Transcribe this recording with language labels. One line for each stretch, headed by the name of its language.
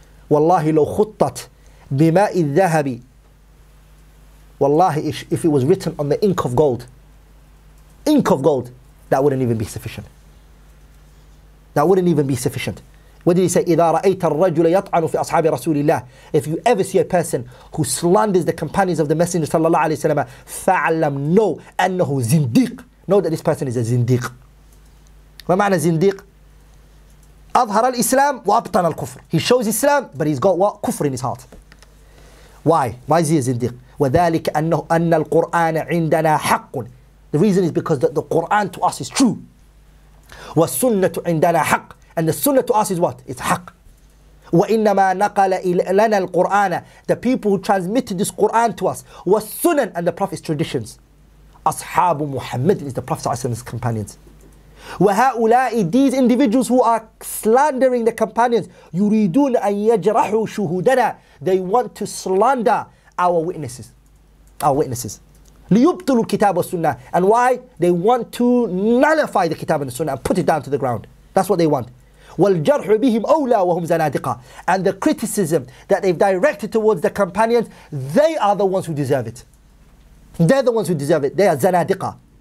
Arabic: Wallahi, لو خطت بماء الذهب.
English: Wallahi, if it was written on the ink of gold, that wouldn't even be sufficient. What did he say?
Arabic: إذا رأيت الرجل يطعن في أصحاب رسول الله.
English: If you ever see a person who slanders the companions of the Messenger صلى الله عليه وسلم,
Arabic: فعلم
English: know
Arabic: أنه زنديق.
English: Know that this person is a زنديق.
Arabic: ما معنى زنديق؟ أظهر الإسلام وأبطن الكفر.
English: He shows Islam, but he's got what? Kufr in his heart. Why? Why is he a
Arabic: زنديق؟ وذلك أنه أن القرآن عندنا حق.
English: The reason is because the Quran to us is true.
Arabic: والسنة عندنا حق.
English: And the Sunnah to us is what? It's حق.
Arabic: وإنما نقل لنا القرآن.
English: The people who transmitted this Quran to us.
Arabic: والسنن.
English: And the Prophet's traditions.
Arabic: أصحاب محمد
English: is the Prophet and his companions.
Arabic: وهؤلاء,
English: these individuals who are slandering the companions,
Arabic: يريدون أن يجرحوا شهودنا,
English: they want to slander our witnesses.
Arabic: ليبطلوا الكتاب والسنة.
English: And why? They want to nullify the kitab and the sunnah and put it down to the ground. That's what they want.
Arabic: والجرح بهم أولى وهم زنادقة.
English: And the criticism that they've directed towards the companions, they are the ones who deserve it. They're the ones who deserve it. They are زنادقة.